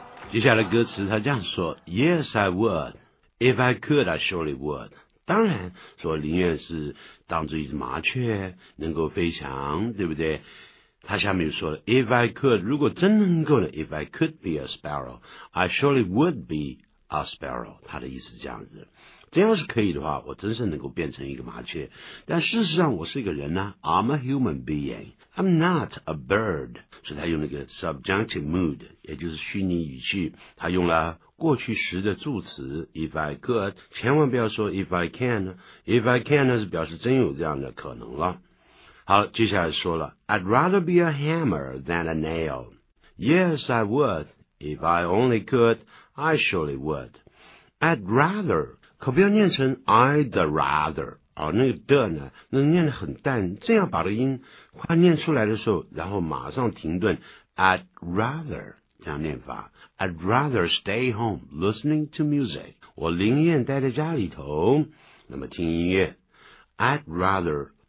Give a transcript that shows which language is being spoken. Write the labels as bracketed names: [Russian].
[Chinese] 接下来歌词他这样说 [English] Yes I would If I could I surely would [Chinese] 当然说宁愿是当作一只麻雀能够飞翔，对不对？他下面说 [English] If I could [Chinese] 如果真能够呢 [English] If I could be a sparrow I surely would be a sparrow [Chinese] 他的意思是这样子，真要是可以的话，我真是能够变成一个麻雀。但事实上我是一个人啊， [English] I'm a human being, I'm not a bird. [Chinese] 所以他用那个 subjunctive mood, 也就是虚拟语句，他用了过去时的助词 [English] if I could, [Chinese] 千万不要说 [English] if I can, if I can [Chinese] 呢是表示真有这样的可能了。好，接下来说了 [English] I'd rather be a hammer than a nail. Yes, I would. If I only could, I surely would. [Chinese] I'd rather, 可不要念成 I'd rather, 那个的呢那念得很淡，这样把这个音快念出来的时候然后马上停顿 I'd rather,这样念法 [English] I'd rather stay home listening to music [Chinese] 我宁愿待在家里头那么听音乐 I'd rather